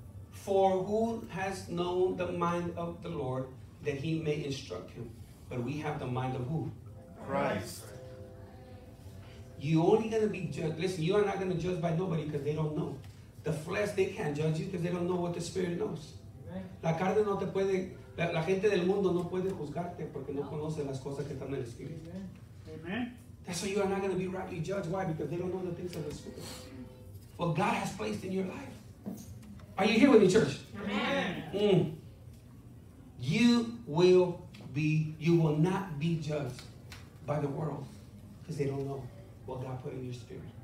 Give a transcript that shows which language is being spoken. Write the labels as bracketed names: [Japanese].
[English] For who has known the mind of the Lord that he may instruct him? But we have the mind of who? Christ. You're only going to be judged. Listen, you are not going to judge by nobody because they don't know. The flesh, they can't judge you because they don't know what the spirit knows. [Spanish] La carne no te puede, la gente del mundo no puede juzgarte porque no conoce las cosas que están en el espíritu. [English] Amen. That's why you are not going to be rightly judged. Why? Because they don't know the things of the spirit. What God has placed in your life. Are you here with me, church? Amen. You will be. you will not be judged by the world, because they don't know what God put in your spirit.